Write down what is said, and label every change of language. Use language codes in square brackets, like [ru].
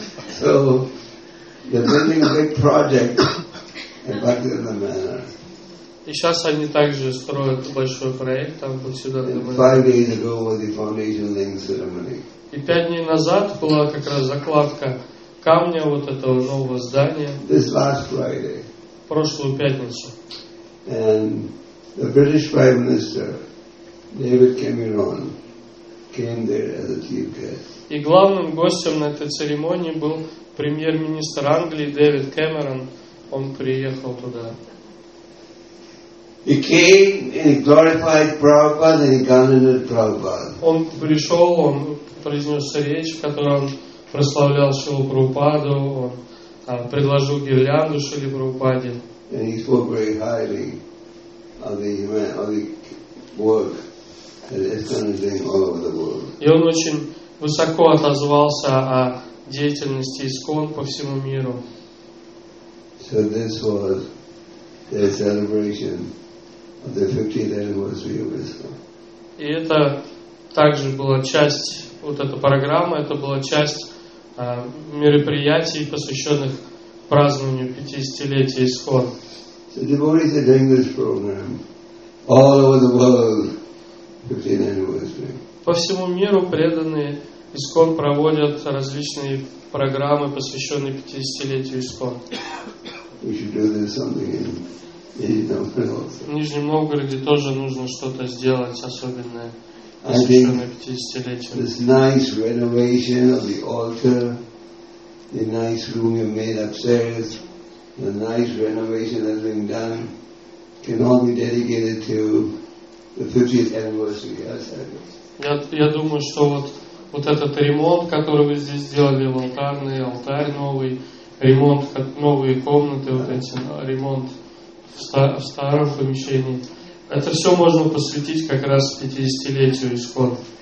[en] So, they're building a big project in Bhaktivedanta Manor. [ru] И сейчас они также строят большой проект там, в Бхактисиддханта [en] Майяпуре. 5 days ago was the foundation laying ceremony. [ru] И 5 дней назад была как раз закладка камня вот этого нового здания. [en] This last Friday. [ru] Прошлую пятницу. [en] And the British Prime Minister David Cameron came there as a chief guest. [ru] И главным гостем на этой церемонии был премьер-министр Англии Дэвид Кэмерон. Он приехал туда. [en] He came and glorified Prabhupada and he condemned Prabhupada. [ru] Он пришел, он произнес речь, в которой он прославлял Шилу Прабхупаду, он предложил гирлянду Шиле Прабхупаде. [en] And he spoke very highly of the work that ISKCON is doing all over the world. [ru] И он очень высоко отозвался о деятельности ИСКОН по всему миру. [en] So this was the celebration of the 50th anniversary of ISKCON. [ru] И это также была часть, вот эта программа, это была часть мероприятий, посвященных празднованию 50-летия ИСКОН. [en] So devotees are doing this program all over the world, 50th anniversary. [ru] По всему миру преданные ИСКОН проводят различные программы, посвященные 50-летию ИСКОН. [en] We should do this something in [ru] В Нижнем Новгороде тоже нужно что-то сделать особенное, посвященное 50-летию. [en] This nice renovation of the altar, the nice room you made upstairs, the nice renovation that's being done, can all be dedicated to the 50th anniversary of ISKCON. [ru] Я думаю, что вот этот ремонт, который вы здесь сделали, алтарь новый, ремонт, новые комнаты, вот эти, ремонт в старом помещении. Это все можно посвятить как раз 50-летию ИСКОН.